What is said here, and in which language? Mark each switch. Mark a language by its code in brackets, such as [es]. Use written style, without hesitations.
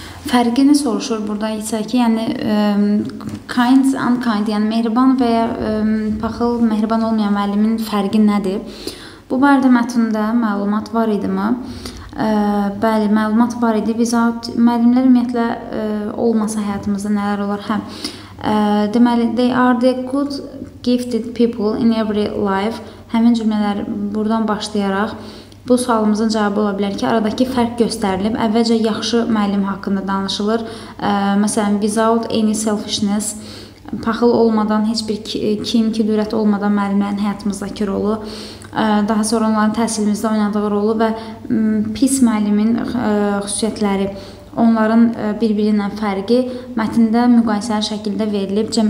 [az] Fərqini soruşur burada isə ki, yəni kind, unkind, yəni mehriban və ya paxıl, mehriban olmayan müəllimin fərqi nədir? Bu barədə mətndə məlumat var idimi? Bəli, məlumat var idi. Biz müəllimlər ümumiyyətlə olmasa həyatımızda nələr olar? Hə, deməli, [en] they are the good gifted people in every life. [az] Həmin cümlələr buradan başlayaraq. Bu sualımızın cavabı ola bilər ki, aradakı fərq göstərilib. Əvvəlcə yaxşı müəllim haqqında danışılır. Məsələn, [en] without any selfishness, [az] paxıl olmadan, heç bir kin-kudurət olmadan müəllimlərin həyatımızdakı rolu, daha sonra onların təhsilimizdə oynadığı rolu və pis müəllimin xüsusiyyətləri, onların bir-birindən fərqi mətndə müqayisəli şəkildə verilib.